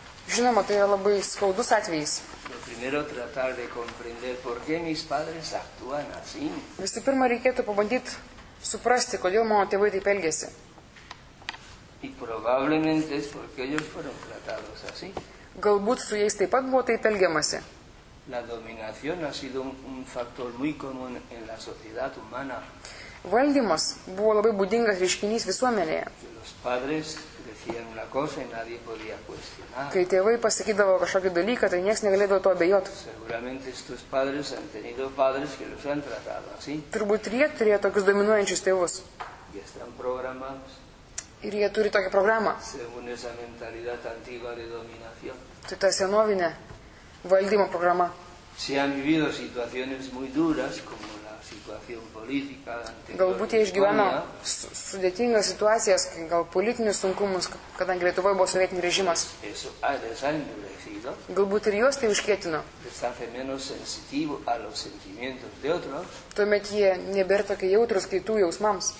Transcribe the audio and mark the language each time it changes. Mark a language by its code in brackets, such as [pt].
[lt] Žinoma, tai yra labai skaudus atvejis. [es] Primero tratar de comprender por qué mis padres actúan así. [lt] Visų pirma, reikėtų pabandyti suprasti, kodėl mano tėvai taip elgėsi. [es] Y probablemente es porque ellos fueron tratados así. [lt] Galbūt su jais taip pat buvo taip elgiamasi. [es] La dominación ha sido un factor muy común en la sociedad humana. [lt] Valdymas buvo labai būdingas reiškinys visuomenėje. [es] Los padres decían una cosa y nadie podía cuestionar. [lt] Kai tėvai pasakydavo kažkokį dalyką, tai nieks negalėdavo to abejoti. [es] Seguramente estos padres han tenido padres que los han tratado así. [lt] Turbūt jie turėjo tokius dominuojančius tėvus. [es] Y están programados. [lt] Ir jie turi tokią programą. [es] Según esa mentalidad antigua de dominación. [lt] Tai ta senovinė valdymo programa. [es] Si han vivido situaciones muy duras, como las [lt] Galbūt jie išgyveno sudėtingas situacijas, gal politinius sunkumus, kadangi Lietuvoje buvo sovietinis režimas. Galbūt ir juos tai užkietino. Tuomet jie nebėra tokie jautrus kitų jausmams.